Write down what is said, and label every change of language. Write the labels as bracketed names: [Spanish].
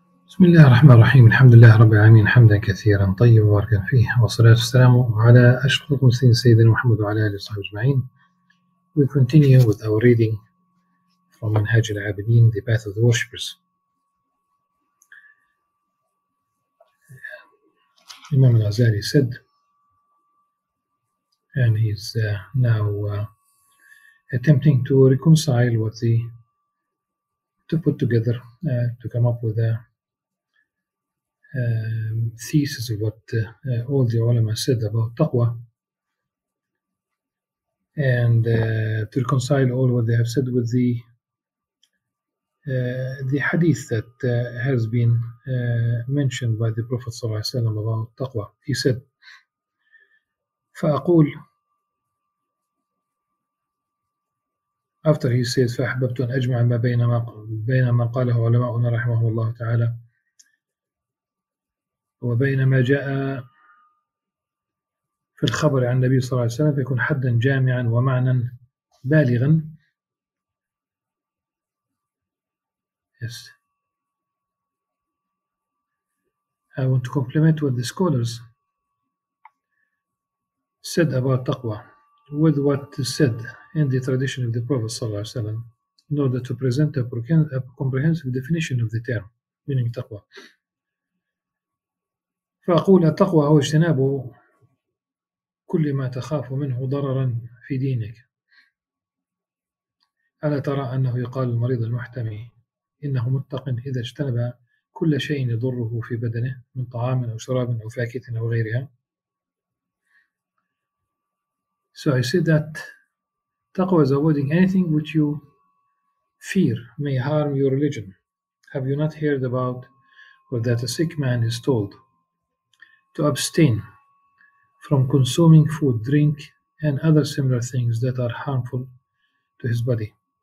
[Arabic] بسم الله الرحمن الرحيم، الحمد لله رب العالمين، حمدا كثيرا طيبا مباركا فيه، والصلاة والسلام على أشرف المرسلين سيدنا محمد وعلى آله وصحبه أجمعين. [English] We continue with our reading from منهاج العابدين, The Path of the Worshippers. Imam al-Ghazali said, and he's attempting to reconcile what the to put together to come up with a thesis of what all the ulama said about taqwa, and to reconcile all what they have said with the hadith that has been mentioned by the Prophet صلى الله عليه وسلم about taqwa. He said, [Arabic] فأقول, [English] after he says, [Arabic] فأحببت أن أجمع ما بين ما قاله علماؤنا رحمه الله تعالى وبينما جاء في الخبر عن النبي صلى الله عليه وسلم فيكون حدا جامعا ومعنا بالغا. [English] Yes. I want to compliment what the scholars said about taqwa with what is said in the tradition of the Prophet صلى الله عليه وسلم in order to present a comprehensive definition of the term meaning taqwa. [Arabic] فأقول التقوى هو اجتناب كل ما تخاف منه ضررا في دينك. ألا ترى أنه يقال المريض المحتمي إنه متق إذا اجتنب كل شيء يضره في بدنه من طعام أو شراب أو فاكهة أو غيرها. [English] So I said that taqwa is avoiding anything which you fear may harm your religion. Have you not heard about or that a sick man is told to abstain from consuming food, drink, and other similar things that are harmful to his body.